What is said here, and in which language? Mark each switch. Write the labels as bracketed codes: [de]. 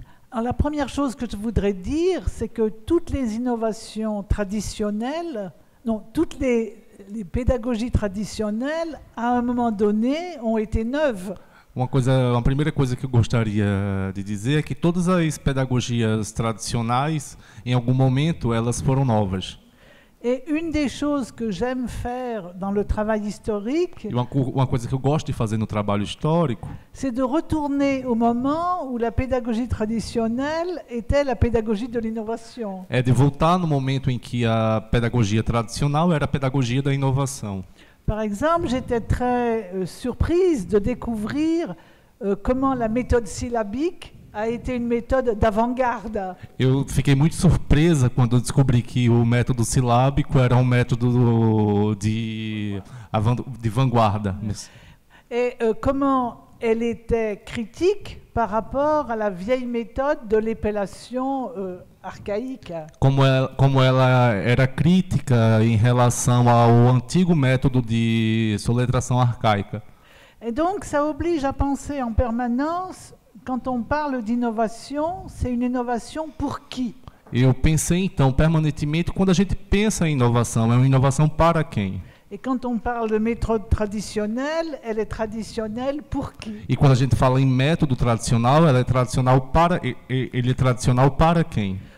[fr] Alors, la première chose que je voudrais dire, c'est que toutes les innovations traditionnelles, non, toutes les pédagogies traditionnelles, à un moment donné, ont été neuves. [pt] Uma primeira coisa que eu gostaria de dizer é que todas as pedagogias tradicionais, em algum momento, elas foram novas. [fr] Et une des choses que j'aime faire dans le travail historique, [pt] uma coisa que eu gosto de fazer no trabalho histórico, [fr] c'est de retourner au moment où la pédagogie traditionnelle était la pédagogie de l'innovation. [pt] É de voltar no momento em que a pedagogia tradicional era a pedagogia da inovação. [fr] Par exemple, j'étais très surprise de découvrir comment la méthode syllabique a été une méthode d'avant-garde. [pt] Eu fiquei muito surpresa quando descobri que o método silábico era um método de vanguarda. [fr] Et comment elle était critique par rapport à la vieille méthode de l'épellation archaïque. [pt] Como ela era crítica em relação ao antigo método de soletração arcaica. [fr] Et donc ça oblige à penser en permanence. Quand on parle d'innovation, c'est une innovation pour qui? [pt] Eu pensei então permanentemente quando a gente pensa em inovação, é uma inovação para quem? [fr] Et quand on parle de méthode traditionnelle, elle est traditionnelle pour qui? [pt] E quando a gente fala em método tradicional, ela é tradicional para ele é tradicional para quem?